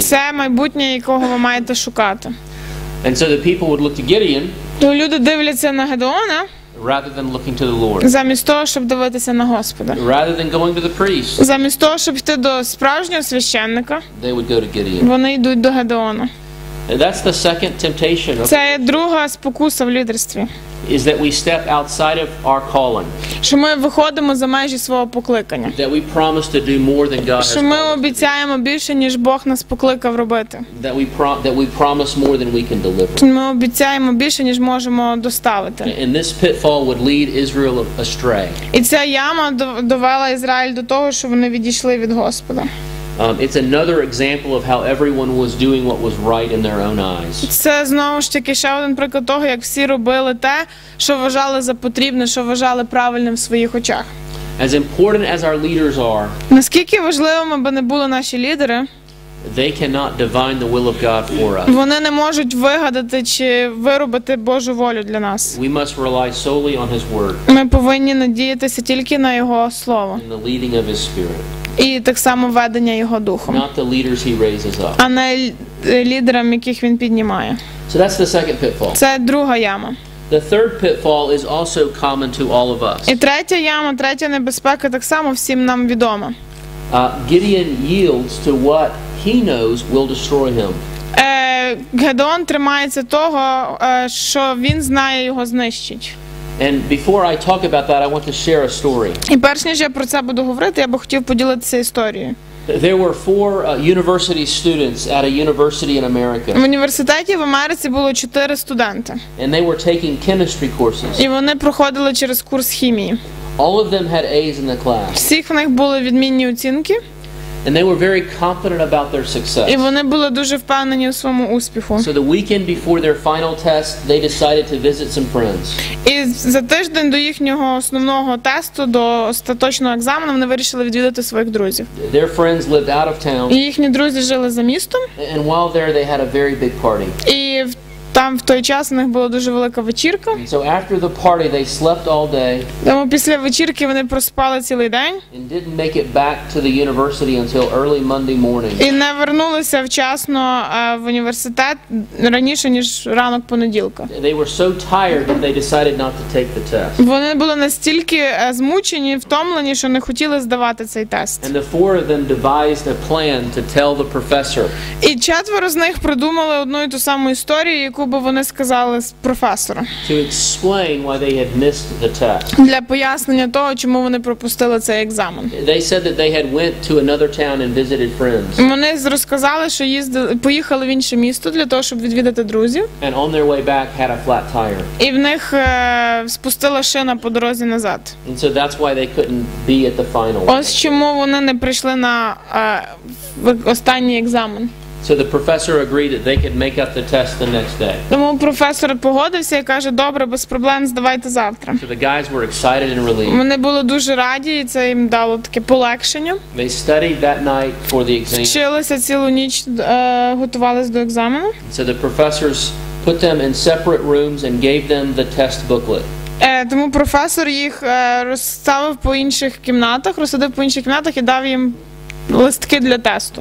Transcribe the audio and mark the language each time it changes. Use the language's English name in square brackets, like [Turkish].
[Ukrainian] Це майбутнє, якого ви маєте шукати. [English] And so the people would look to Gideon. [Ukrainian] То люди дивляться на Гедеона. [English] Rather than looking to the Lord. [Ukrainian] Замість того, щоб дивитися на Господа. [English] Rather than going to the priest. [Ukrainian] Замість того, щоб йти до справжнього священника. [English] They would go to Gideon. [Ukrainian] Вони йдуть до Гедеона. [English] And that's the second temptation. [Ukrainian] Це є друга спокуса в лідерстві. [English] Is that we step outside of our calling. [Ukrainian] Що ми виходимо за межі свого покликання. [English] That we promise to do more than God has. [Ukrainian] Що ми обіцяємо більше, ніж Бог нас покликав робити. [English] That we promise more than we can deliver. [Ukrainian] Що ми обіцяємо більше, ніж можемо доставити. [English] And this pitfall would lead Israel astray. [Ukrainian] І ця яма довела Ізраїль до того, що вони відійшли від Господа. [English] It's another example of how everyone was doing what was right in their own eyes. [Ukrainian] Це знову ж таки ще один приклад того, як всі робили те, що вважали за потрібне, що вважали правильним в своїх очах. [English] As important as our leaders are, [Ukrainian] наскільки важливими би не були наші лідери, [English] they cannot divine the will of God for us. [Ukrainian] Вони не можуть вигадати чи виробити Божу волю для нас. [English] We must rely solely on His word. [Ukrainian] Ми повинні надіятися тільки на Його слово. [English] In the leading of His Spirit. [Ukrainian] І так само ведення Його духом. [English] Not the leaders He raises up. [Ukrainian] А не лідерам, яких Він піднімає. [English] So that's the second pitfall. [Ukrainian] Це друга яма. [English] The third pitfall is also common to all of us. [Ukrainian] І третя яма, третя небезпека так само всім нам відома. [English] Gideon yields to what he knows will destroy him. [Ukrainian] Гедеон тримається того, що він знає, його знищить. [English] And before I talk about that, I want to share a story. [Ukrainian] І перш ніж я про це буду говорити, я би хотів поділитися історією. [English] There were four university students at a university in America. [Ukrainian] В університеті в Америці було 4 студенти. [English] And they were taking chemistry courses. [Ukrainian] І вони проходили через курс хімії. [English] All of them had A's in the class. [Ukrainian] Всіх в них були відмінні оцінки. [English] And they were very confident about their success. [Ukrainian] І вони були дуже впевнені у своєму успіху. [English] So the weekend before their final test, they decided to visit some friends. [Ukrainian] І за тиждень до їхнього основного тесту, до остаточного екзамену, вони вирішили відвідати своїх друзів. [English] Their friends lived out of town. [Ukrainian] І їхні друзі жили за містом. [English] And while there, they had a very big party. [Ukrainian] І там в той час у них була дуже велика вечірка. [English] So after the party, they slept all day. [Ukrainian] Тому після вечірки вони проспали цілий день. [English] And didn't make it back to the university until early Monday morning. [Ukrainian] І не вернулися вчасно в університет раніше, ніж ранок понеділка. [English] They were so tired that they decided not to take the test. [Ukrainian] Вони були настільки змучені, втомлені, що не хотіли здавати цей тест. [English] And the four of them devised a plan to tell the professor. [Ukrainian] І четверо з них придумали одну і ту саму історію, яку би вони сказали професору. [English] To explain why they had missed the test. [Ukrainian] Для пояснення того, чому вони пропустили цей екзамен. [English] They said that they had went to another town and visited friends. [Ukrainian] Вони розказали, що поїхали в інше місто для того, щоб відвідати друзів. [English] And on their way back had a flat tire. [Ukrainian] І в них спустила шина по дорозі назад. [English] And so that's why they couldn't be at the final. [Ukrainian] Ось чому вони не прийшли на останній екзамен. [English] So the professor agreed that they could make up the test the next day. [Ukrainian] Тому професор погодився і каже: "Добре, без проблем, здавайте завтра". [English] So the guys were excited and relieved. [Ukrainian] Вони були дуже раді, і це їм дало таке полегшення. [English] They studied that night for the exam. [Ukrainian] Вчилися цілу ніч, готувалися до екзамену. [English] So the professors put them in separate rooms and gave them the test booklet. [Ukrainian] Тому професор їх розставив по інших кімнатах, розсадив по інших кімнатах і дав їм листки для тесту.